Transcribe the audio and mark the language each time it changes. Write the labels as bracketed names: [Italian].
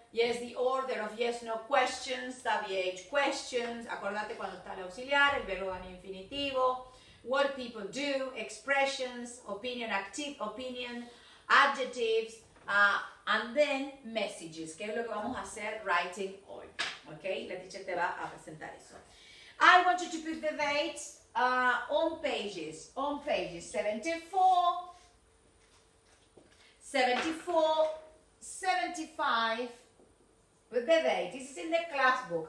[English] Yes, the order of yes, no questions, WH questions. [Spanish] Acordate cuando está el auxiliar, el verbo en infinitivo. [English] What people do, expressions, opinion, active opinion, adjectives, and then messages. [Spanish] ¿Qué es lo que vamos a hacer writing hoy? Okay, la teacher te va a presentar eso. [English] I want you to put the dates on pages 74, 75, with the date. This is in the class book.